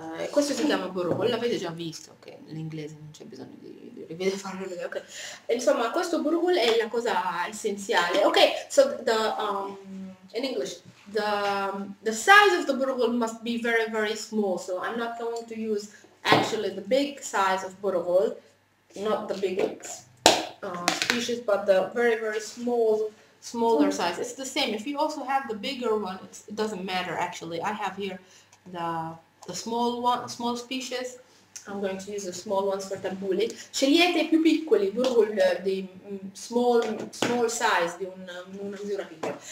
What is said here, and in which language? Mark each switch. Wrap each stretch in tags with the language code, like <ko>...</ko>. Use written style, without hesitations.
<it>Questo si chiama burrul, l'avete già visto, ok, l'inglese non c'è bisogno di rivedere, farlo vedere, ok. Insomma, questo burrul è la cosa essenziale.</it> <en>Ok, so the in English, the size of the burrul must be very, very small, so I'm not going to use actually the big size of burrul, not the big species, but the very, very smaller size. It's the same. If you also have the bigger one, it doesn't matter actually. I have here the small one, small species. I'm going to use the small ones for tabbouleh.</en> <it>Scegliete più piccoli, burrul, di</it> <en>small size,</en> <it>di una misura piccola.</it>